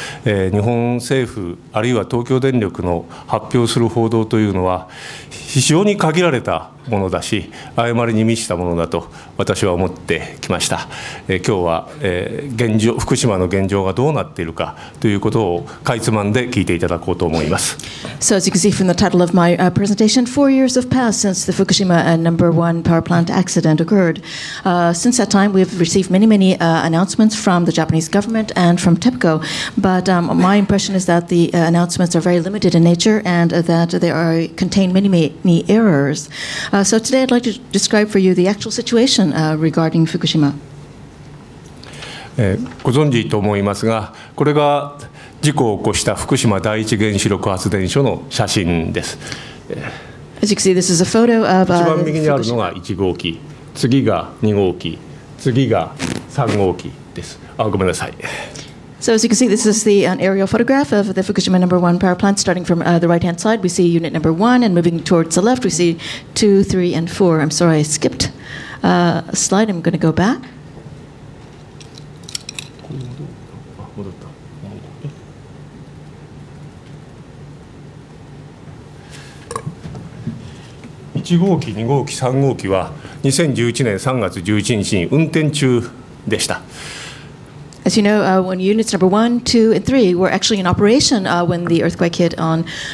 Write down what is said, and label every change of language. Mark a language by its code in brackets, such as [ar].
[ja] 日本政府あるいは東京電力の発表する報道というのは非常に限られたものだし、誤りに満ちたものだと私は思ってきました。今日は福島の現状がどうなっているかということをかいつまんで聞いていただこうと思います。 [en] So as you can see from the title of my presentation, 4 years have passed since the Fukushima number one power plant accident occurred. Since that time, we've received many, many announcements from the Japanese government and from TEPCO. But my impression is that the announcements are very limited in nature and that they are contain many, many errors. So today I'd like to describe for you the actual situation regarding Fukushima. [ja] ご存知と思いますが、これが事故を起こした福島第一原子力発電所の写真です。 [en] As you can see, this is a photo of [ja] 一番右にあるのが1号機、次が2号機、次が3号機です。あ、ごめんなさい。 [en] So as you can see, this is the aerial photograph of the Fukushima number one power plant. Starting from the right-hand side, we see unit number one, and moving towards the left, we see two, three, and four. I'm sorry, I skipped a slide. I'm going to go back. One [ja] 号機、二号機、三号機は2011年3月11日に運転中でした。 [en] As you know, when units number 1, 2, and 3 were actually in operation when the earthquake hit on